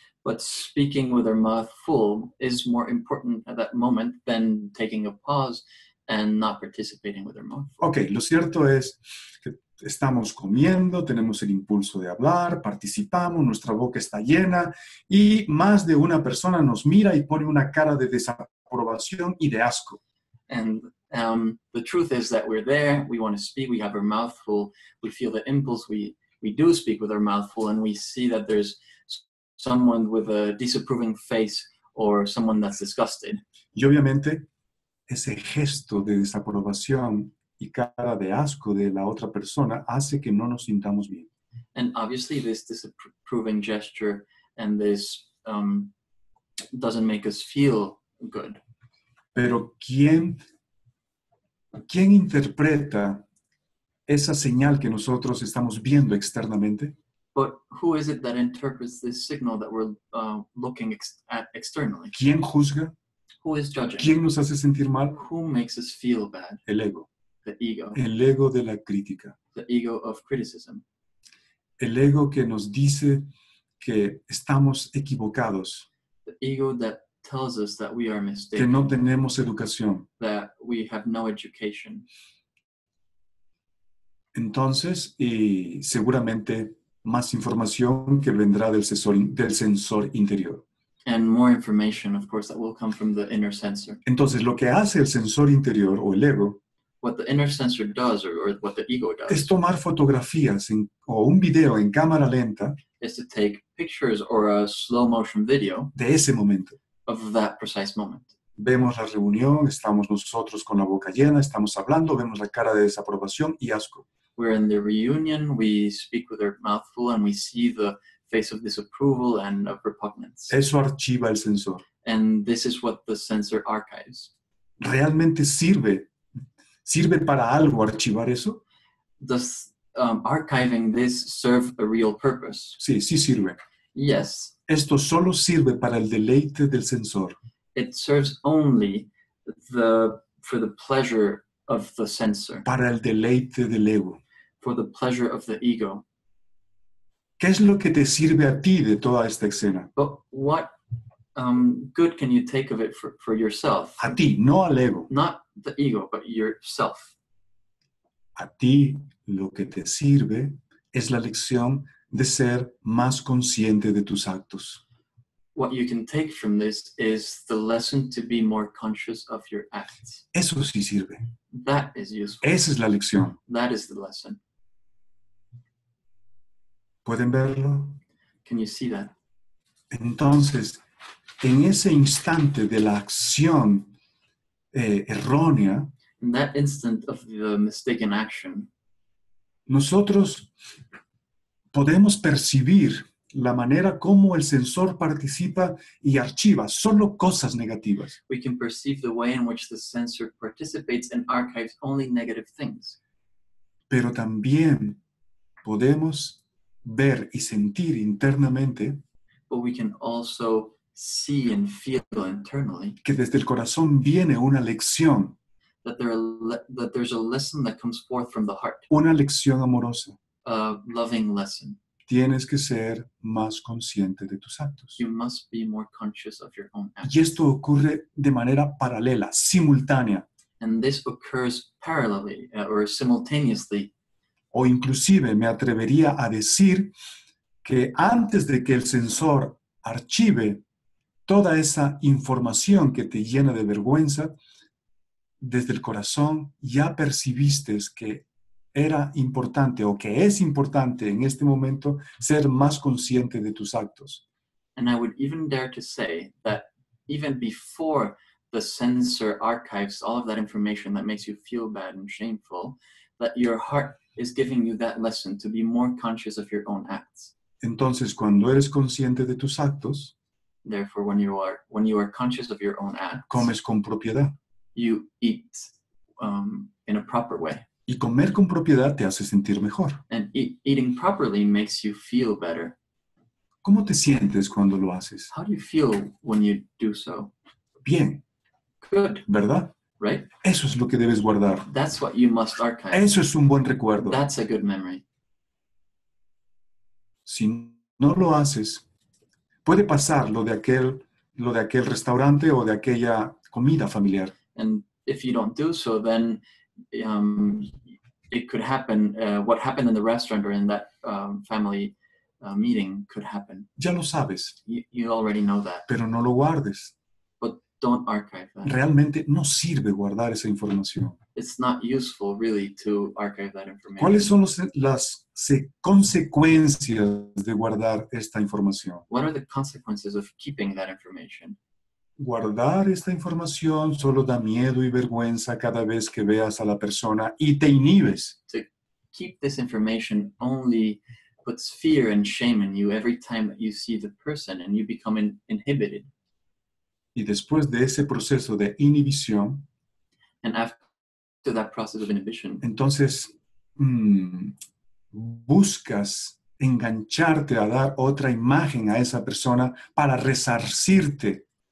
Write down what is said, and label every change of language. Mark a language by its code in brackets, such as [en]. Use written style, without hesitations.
[en] But speaking with our mouth full is more important at that moment than taking a pause and not participating with our mouth. [es] Okay, lo cierto es que estamos comiendo, tenemos el impulso de hablar, participamos, nuestra boca está llena y más de una persona nos mira y pone una cara de desaprobación y de asco. [en] And the truth is that we're there, we want to speak, we have our mouth full, we feel the impulse, we do speak with our mouth full, and we see that there's someone with a disapproving face or someone that's disgusted. [es] Y obviamente, ese gesto de desaprobación y cara de asco de la otra persona hace que no nos sintamos bien. [en] And obviously this disapproving gesture and this doesn't make us feel good. [es] Pero ¿quién interpreta esa señal que nosotros estamos viendo externamente? [en] But who is it that interprets this signal that we're looking at externally? [es] ¿Quién juzga? [en] Who is judging? [es] ¿Quién nos hace sentir mal? [en] Who makes us feel bad? [es] El ego. [en] The ego. [es] El ego de la crítica. [en] The ego of criticism. [es] El ego que nos dice que estamos equivocados. [en] The ego that tells us that we are mistaken. [es] Que no tenemos educación. [en] That we have no education. [es] Entonces, y seguramente más información que vendrá del sensor interior. [en] And more information, of course, that will come from the inner sensor. [es] Entonces, lo que hace el sensor interior o el ego, [en] what the inner sensor does or what the ego does, [es] es tomar fotografías o un video en cámara lenta, [en] is to take pictures or a slow motion video [es] de ese momento, [en] of that precise moment. [es] Vemos la reunión, estamos nosotros con la boca llena, estamos hablando, vemos la cara de desaprobación y asco. [en] We're in the reunion, we speak with our mouth full, and we see the face of disapproval and of repugnance. [es] Eso archiva el sensor. [en] And this is what the sensor archives. [es] ¿Realmente sirve? ¿Sirve para algo archivar eso? [en] Does archiving this serve a real purpose? [es] Sí, sí sirve. [en] Yes. [es] Esto solo sirve para el deleite del sensor. [en] It serves only for the pleasure of the sensor. [es] Para el deleite del ego. [en] For the pleasure of the ego. [es] ¿Qué es lo que te sirve a ti de toda esta escena? [en] But what good can you take of it for yourself? [es] A ti, no al ego. [en] Not the ego, but yourself. [es] A ti lo que te sirve es la lección de ser más consciente de tus actos. [en] What you can take from this is the lesson to be more conscious of your acts. [es] Eso sí sirve. [en] That is useful. [es] Esa es la lección. [en] That is the lesson. [es] ¿Pueden verlo? [en] Can you see that? [es] Entonces, en ese instante de la acción errónea, [en] in that instant of the mistaken action, [es] nosotros podemos percibir la manera como el sensor participa y archiva solo cosas negativas. [en] We can perceive the way in which the sensor participates and archives only negative things. [es] Pero también podemos ver y sentir internamente, [en] but we can also see and feel internally, [es] que desde el corazón viene una lección, [en] that there's a lesson that comes forth from the heart. [es] Una lección amorosa. [en] A loving lesson. [es] Tienes que ser más consciente de tus actos. [en] You must be more conscious of your own actions. [es] Y esto ocurre de manera paralela, simultánea. [en] And this occurs parallelly or simultaneously. [es] O inclusive me atrevería a decir que antes de que el sensor archive toda esa información que te llena de vergüenza, desde el corazón ya percibiste que era importante o que es importante en este momento ser más consciente de tus actos. [en] And I would even dare to say that even before the sensor archives all of that information that makes you feel bad and shameful, that your heart is giving you that lesson to be more conscious of your own acts. [es] Entonces, cuando eres consciente de tus actos, [en] therefore, when you are conscious of your own acts, [es] comes con propiedad. [en] You eat in a proper way. [es] Y comer con propiedad te hace sentir mejor. [en] And eating properly makes you feel better. [es] ¿Cómo te sientes cuando lo haces? [en] How do you feel when you do so? [es] Bien. [en] Good. [es] ¿Verdad? [en] right? [es] Eso es lo que debes guardar. [en] That's what you must archive. [es] Eso es un buen recuerdo. [en] That's a good memory. [es] Si no lo haces, puede pasar lo de aquel restaurante o de aquella comida familiar. [en] And if you don't do so, then it could happen. What happened in the restaurant or in that family meeting could happen. [es] Ya lo sabes. [en] You already know that. [es] Pero no lo guardes. [en] But don't archive that. [es] Realmente no sirve guardar esa información. [en] It's not useful, really, to archive that information. [es] ¿Cuáles son las consecuencias de guardar esta información? [en] What are the consequences of keeping that information? [es] Guardar esta información solo da miedo y vergüenza cada vez que veas a la persona y te inhibes. [en] To keep this information only puts fear and shame in you every time that you see the person and you become inhibited. [es] Y después de ese proceso de inhibición, [en] and after that process of inhibition, [es] entonces buscas engancharte a dar otra imagen a esa persona para resarcirte.